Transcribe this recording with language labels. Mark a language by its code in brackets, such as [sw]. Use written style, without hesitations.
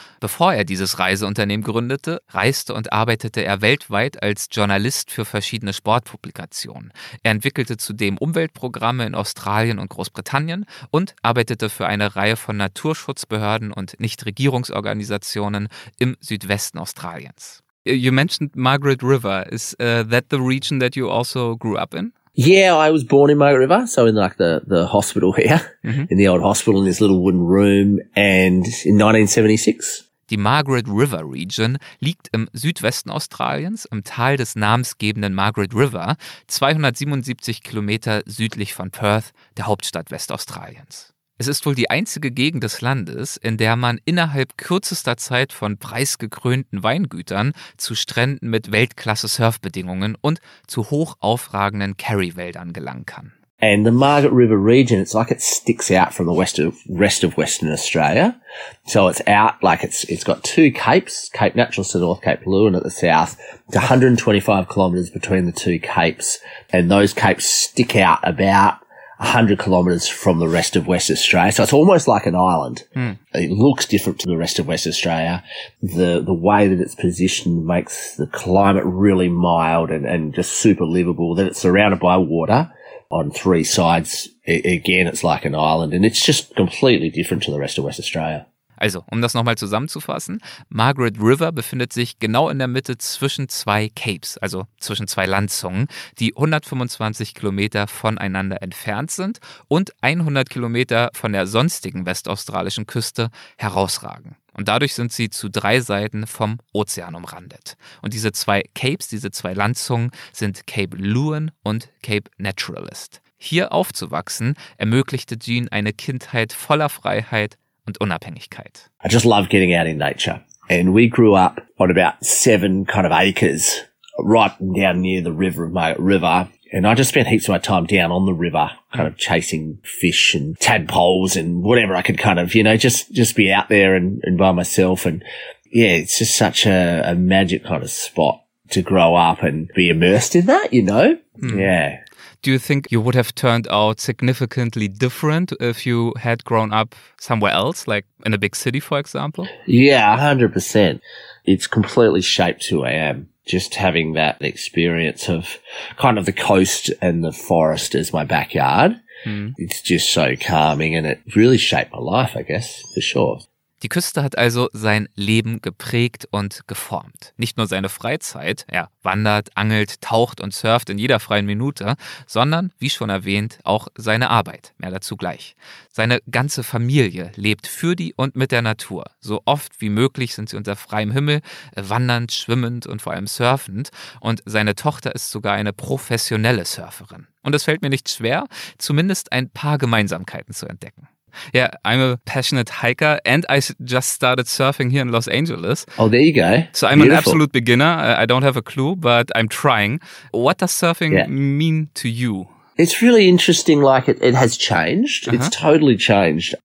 [de] Bevor er dieses Reiseunternehmen gründete, reiste und arbeitete er weltweit als Journalist für verschiedene Sportpublikationen. Er entwickelte zudem Umweltprogramme in Australien und Großbritannien und arbeitete für eine Reihe von Naturschutzbehörden und Nichtregierungsorganisationen im Südwesten Australiens. [en] You mentioned Margaret River. Is that the region that you also grew up in? Yeah, I was born in Margaret River, so in like the hospital here, in the old hospital in this little wooden room, and in 1976. [de] Die Margaret River Region liegt im Südwesten Australiens, im Tal des namensgebenden Margaret River, 277 Kilometer südlich von Perth, der Hauptstadt Westaustraliens. Es ist wohl die einzige Gegend des Landes, in der man innerhalb kürzester Zeit von preisgekrönten Weingütern zu Stränden mit Weltklasse-Surfbedingungen und zu hoch aufragenden Kerry-Wäldern gelangen kann. [en] And the Margaret River region, it's like it sticks out from the rest of Western Australia. So it's out, like it's got two capes, Cape Naturalist to North Cape Leeuwin at the south. It's 125 kilometres between the two capes. And those capes stick out about 100 kilometres from the rest of West Australia. So it's almost like an island. Mm. It looks different to the rest of West Australia. The way that it's positioned makes the climate really mild and just super livable, that it's surrounded by water. On three sides, again, it's like an island, and it's just completely different to the rest of West Australia. [de] Also, um das nochmal zusammenzufassen, Margaret River befindet sich genau in der Mitte zwischen zwei Capes, also zwischen zwei Landzungen, die 125 Kilometer voneinander entfernt sind und 100 Kilometer von der sonstigen westaustralischen Küste herausragen. Und dadurch sind sie zu drei Seiten vom Ozean umrandet. Und diese zwei Capes, diese zwei Landzungen sind Cape Leeuwin und Cape Naturalist. Hier aufzuwachsen ermöglichte Gene eine Kindheit voller Freiheit und Unabhängigkeit. [en] I just love getting out in nature. And we grew up on about 7 kind of acres, right down near the river of my river. And I just spent heaps of my time down on the river, kind of chasing fish and tadpoles and whatever I could kind of, you know, just be out there and by myself. And yeah, it's just such a magic kind of spot to grow up and be immersed in that, you know? Mm. Yeah. Do you think you would have turned out significantly different if you had grown up somewhere else, like in a big city, for example? Yeah, 100%. It's completely shaped who I am. Just having that experience of kind of the coast and the forest as my backyard. Mm. It's just so calming and it really shaped my life, I guess, for sure. [de] Die Küste hat also sein Leben geprägt und geformt. Nicht nur seine Freizeit, er wandert, angelt, taucht und surft in jeder freien Minute, sondern, wie schon erwähnt, auch seine Arbeit, mehr dazu gleich. Seine ganze Familie lebt für die und mit der Natur. So oft wie möglich sind sie unter freiem Himmel, wandernd, schwimmend und vor allem surfend. Und seine Tochter ist sogar eine professionelle Surferin. Und es fällt mir nicht schwer, zumindest ein paar Gemeinsamkeiten zu entdecken. [en] Yeah, I'm a passionate hiker and I just started surfing here in Los Angeles. Oh, there you go. So I'm an absolute beginner. I don't have a clue, but I'm trying. What does surfing mean to you? It's really interesting. Like it has changed. Uh-huh. It's totally changed.